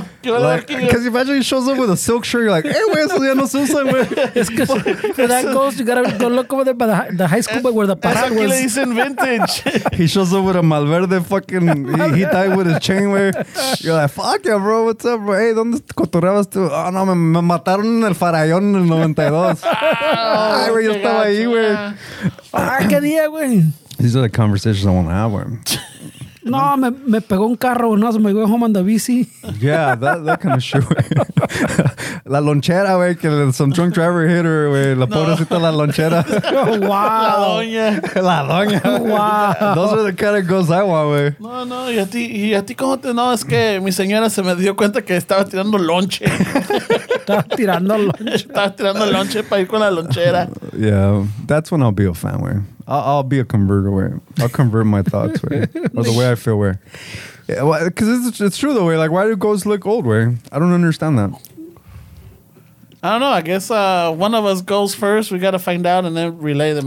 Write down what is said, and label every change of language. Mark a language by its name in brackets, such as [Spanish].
[English] Because like, imagine he shows up with a silk shirt. You're like, hey, where's Liano Susan? It's because for that ghost, you gotta go look over there by the high school but where the pasar was. Aquiles in vintage. He shows up with a Malverde fucking, he died with his chain wear. You're like, fuck yeah, bro. What's up, bro? Hey, [Spanish] ¿dónde cotorreabas tú? Oh, no, me mataron en el Farallón en el 92. Ay, güey, yo estaba ahí, güey. Ah, qué día, güey. [English] These are the conversations I want to have with him. [Spanish] No, me pegó un carro, no, se me fue [English] home on the [Spanish] bici. [English] Yeah, that kind of shit. [Spanish] La lonchera, güey, que [English] some drunk driver hit her, güey. [Spanish] La pobrecita, la lonchera. [English] Oh, wow. [Spanish] La doña. La doña. [English] Wow. Those are the kind of girls I want, güey. [Spanish] No, no, y a ti cómo te... No, es que mi señora se me dio cuenta que estaba tirando lonche. Estaba tirando lonche para ir con la lonchera. [English] Yeah, that's when I'll be a fan, güey. I'll be a converter, güey. I'll convert my thoughts, güey. Or the way I feel, güey. Yeah, because it's true, though, way. Like, why do ghosts look old, way? I don't understand that. I don't know. I guess one of us goes first. We got to find out and then relay the message.